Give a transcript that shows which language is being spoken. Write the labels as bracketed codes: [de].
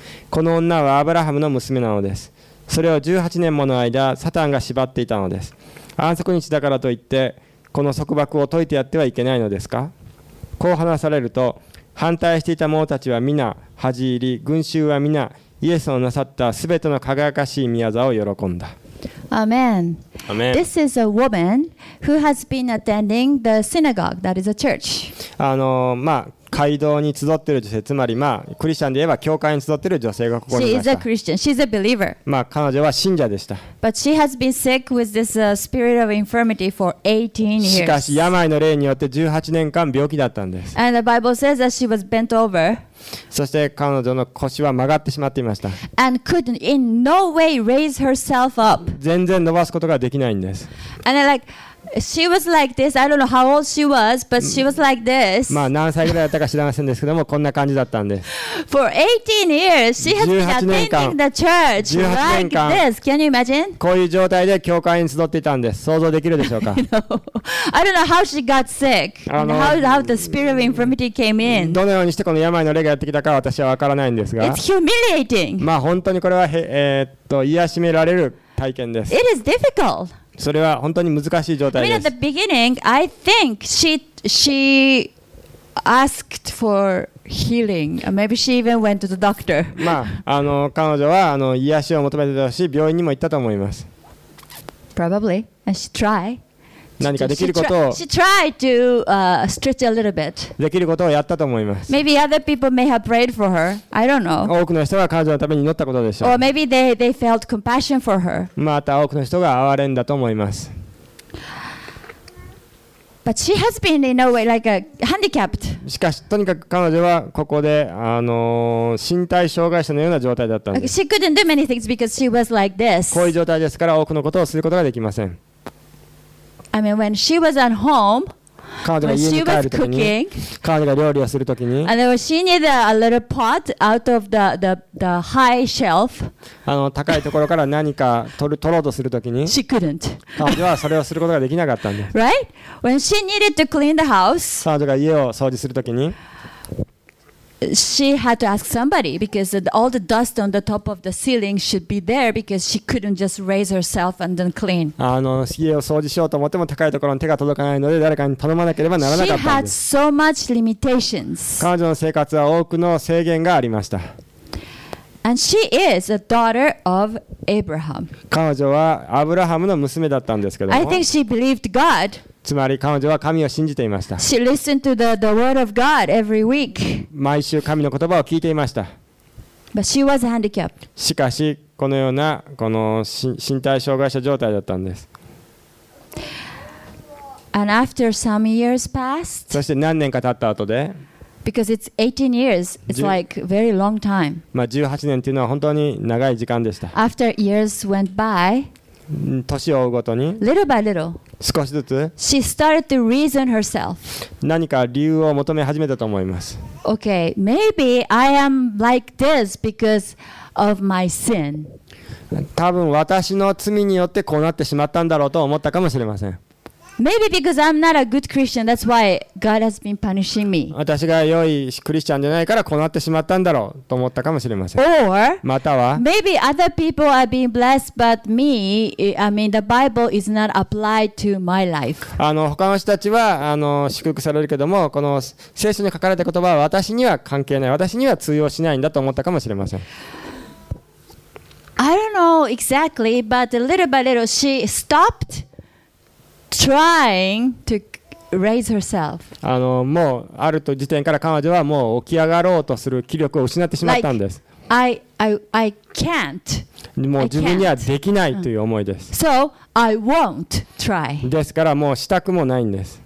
[ja] この女はアブラハムの娘なのです。それを18年もの間サタンが縛っていたのです。安息日だからといってこの束縛を解いてやってはいけないのですか。こう話されると反対していた者たちは皆恥じ入り、群衆は皆イエスのなさったすべての輝かしい御業を喜んだ。 [en] Amen. Amen. This is a woman who has been attending the synagogue, that is a church. [ja] まあ、街道に集っている女性、つまり、まあ、クリスチャンで言えば教会に集っている女性がここにいました。 [en] She is a Christian. She's a believer. [ja] まあ、彼女は信者でした。 [en] But she has been sick with this spirit of infirmity for 18 years. [ja] しかし、病の霊によって18年間病気だったんです。 [en] And the Bible says that she was bent over. [ja] そして彼女の腰は曲がってしまっていました。 [en] And could in no way raise herself up. [ja] 全然伸ばすことができないんです。 [en] And like, she was like this. I don't know how old she was, but she was like this. [ja] まあ何歳ぐらいだったか知らませんですけども、こんな感じだったんです。 [en] For 18 years, she has been attending the church like this. Can you imagine? [ja] こういう状態で教会に集っていたんです。想像できるでしょうか。 [en] I don't know how she got sick. How the spirit of infirmity came in. [ja] どのようにしてこの病の霊がやってきたか私は分からないんですが。 [en] It's humiliating. [ja] まあ本当にこれは癒しめられる体験です。 [en] It is difficult. [ja] それは本当に難しい状態です。 [en] I mean, at the beginning, I think she asked for healing. Maybe she even went to the doctor. [ja] まあ、彼女は癒しを求めていたし、病院にも行ったと思います。 [en] Probably. And she tried. [ja] 何かできることを。 [en] She tried to stretch a little bit. [ja] できることをやったと思います。 [en] Maybe other people may have prayed for her. I don't know. [ja] 多くの人が彼女のために祈ったことでしょう。 [en] Or maybe they felt compassion for her. [ja] また多くの人が憐れんだと思います。 [en] But she has been in a way like a handicapped. [ja] しかしとにかく彼女はここで身体障害者のような状態だったんです。 [en] She couldn't do many things because she was like this. [ja] こういう状態ですから多くのことをすることができません。 [en] I mean, when she was at home, [ja] 彼女が家に帰るときに、彼女が料理をするときに、 [en] and then she needed a little pot out of the high shelf. [ja] 高いところから何か取ろうとするときに、 [en] she couldn't. [ja] 彼女はそれをすることができなかったんです。 [en] Right? When she needed to clean the house, [ja] 彼女が家を掃除するときに、 [en] she had to ask somebody because all the dust on the top of the ceiling should be there because she couldn't just raise herself and then clean. [ja] 家を掃除しようと思っても高いところに手が届かないので誰かに頼まなければならなかったんです。 [en] She had so much limitations. [ja] 彼女の生活は多くの制限がありました。 [en] And she is a daughter of Abraham. [ja] 彼女はアブラハムの娘だったんですけども。 [en] I think she believed God. [ja] つまり彼女は神を信じていました。 [en] She listened to the word of God every week. [ja] 毎週神の言葉を聞いていました。 [en] But she was handicapped. [ja] しかしこのようなこの身体障害者状態だったんです。 [en] And after some years passed, [ja] そして何年か経った後で、 [en] Because it's 18 years, it's like very long time. [ja] まあ18年というのは本当に長い時間でした。 [en] After years went by, [ja] 年を追うごとに [en] little by little, [ja] 少しずつ [en] she started to reason herself. [ja] 何か理由を求め始めたと思います。 [en] Okay, maybe I am like this because of my sin. [ja] 多分私の罪によってこうなってしまったんだろうと思ったかもしれません。 [en] Maybe because I'm not a good Christian, that's why God has been punishing me. [ja] 私が良いクリスチャンじゃないからこうなってしまったんだろうと思ったかもしれません。 [en] Or, [ja] または、 [en] maybe other people are being blessed, but me, I mean, the Bible is not applied to my life. [ja] 他の人たちは祝福されるけども、この聖書に書かれた言葉は私には関係ない、私には通用しないんだと思ったかもしれません。 [en] I don't know exactly, but little by little, she stopped. Trying to raise herself. [ja] もうある時点から彼女はもう起き上がろうとする気力を失ってしまったんです。 [en] Like, I can't. [ja] もう自分にはできないという思いです。 [en] So I won't try. [ja] ですからもうしたくもないんです。